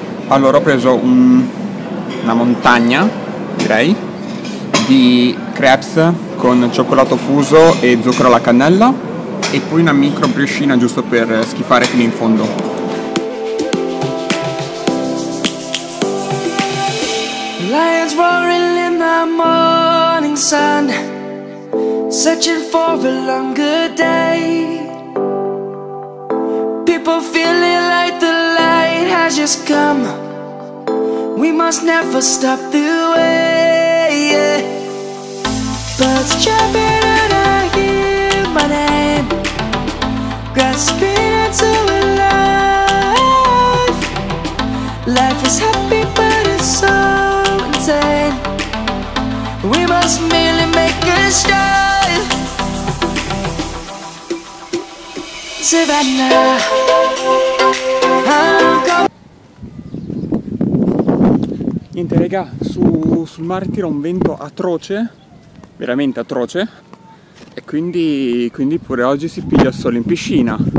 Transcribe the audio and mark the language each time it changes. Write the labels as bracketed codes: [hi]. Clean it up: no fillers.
[it] Allora ho preso una montagna, direi, di crepes con cioccolato fuso e zucchero alla cannella e poi una micro briochina giusto per schifare fino in fondo. [en] Lions roaring in the morning sun, searching for a longer day. People feeling like the light has just come. We must never stop the way, yeah. Birds jumping and I hear my name, grasping into a life. Life is happy but it's so insane. We must merely make a start. [it] Savannah, niente raga, sul mare tira un vento atroce, veramente atroce, e quindi pure oggi si piglia il sole in piscina.